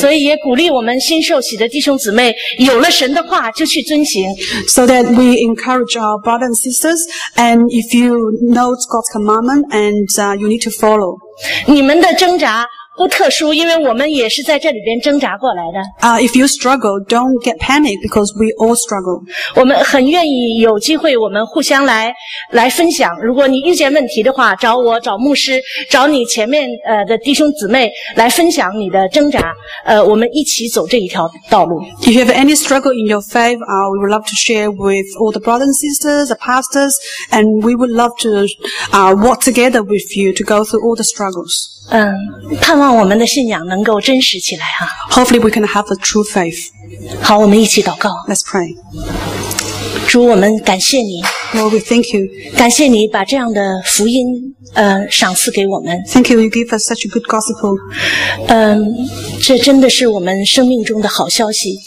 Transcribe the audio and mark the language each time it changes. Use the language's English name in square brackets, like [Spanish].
[Chinese] 所以也鼓励我们新受洗的弟兄姊妹，有了神的话就去遵行。 [English] So that we encourage our brothers and sisters, and if you know God's commandment, and you need to follow. [Chinese] 你们的挣扎不特殊，因为我们也是在这里边挣扎过来的。 [English] If you struggle, don't get panic because we all struggle. [Chinese] 我们很愿意有机会，我们互相来分享。如果你遇见问题的话，找我、找牧师、找你前面的弟兄姊妹来分享你的挣扎。我们一起走这一条道路。 [English] If you have any struggle in your faith, we would love to share with all the brothers and sisters, the pastors, and we would love to work together with you to go through all the struggles. [Chinese] 盼望我们的信仰能够真实起来啊。 [English] Hopefully we can have a true faith. [Chinese] 好，我们一起祷告。 [English] Let's pray. [Chinese] 主，我们感谢你。 [English] Lord, we thank you. [Chinese] 感谢你把这样的福音，赏赐给我们。 [English] Thank you, you give us such a good gospel. [Chinese] 这真的是我们生命中的好消息。